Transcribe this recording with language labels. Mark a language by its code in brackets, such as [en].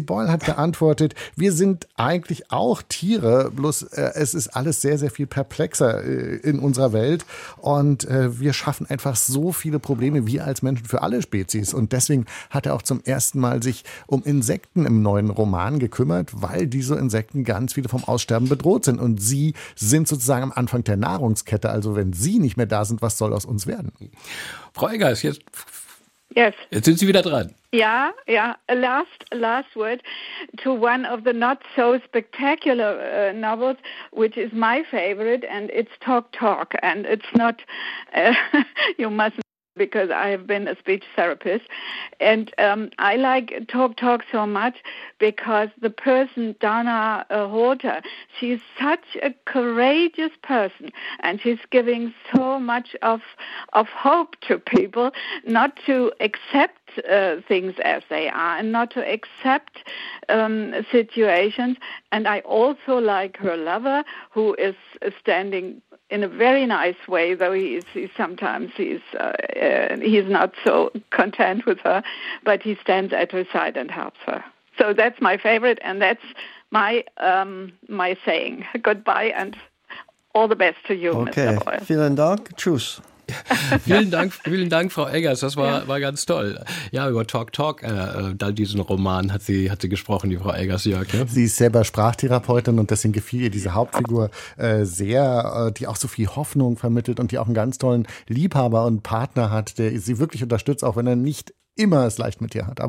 [de] Boyle hat geantwortet, wir sind eigentlich auch Tiere, bloß es ist alles sehr, sehr viel perplexer in unserer Welt und wir schaffen einfach so viele Probleme, wir als Menschen für alle Spezies. Und deswegen hat er auch zum ersten Mal sich um Insekten im neuen Roman gekümmert, weil diese Insekten ganz viele vom Aussterben bedroht sind und sie sind sozusagen am Anfang der Nahrungskette. Also wenn sie nicht mehr da sind, was soll aus uns werden? Frau Eggers, jetzt sind Sie wieder dran. Ja, ja. [en] Last word to one of the not so spectacular novels, which is my favorite, and it's Talk Talk, and it's not. You mustn't. Because I have been a speech therapist, and I like Talk Talk so much because the person, Dana Holter, she's such a courageous person, and she's giving so much of hope to people not to accept things as they are and not to accept situations. And I also like her lover, who is standing in a very nice way, though he's not so content with her, but he stands at her side and helps her. So that's my favorite, and that's my saying. Goodbye and all the best to you, okay. Mr. Boyle. [de] Vielen Dank. Tschüss. vielen Dank, Frau Eggers, das war ganz toll. Ja, über Talk Talk, diesen Roman hat sie gesprochen, die Frau Eggers, Jörg. Ne? Sie ist selber Sprachtherapeutin und deswegen gefiel ihr diese Hauptfigur sehr, die auch so viel Hoffnung vermittelt und die auch einen ganz tollen Liebhaber und Partner hat, der sie wirklich unterstützt, auch wenn er nicht immer es leicht mit ihr hat.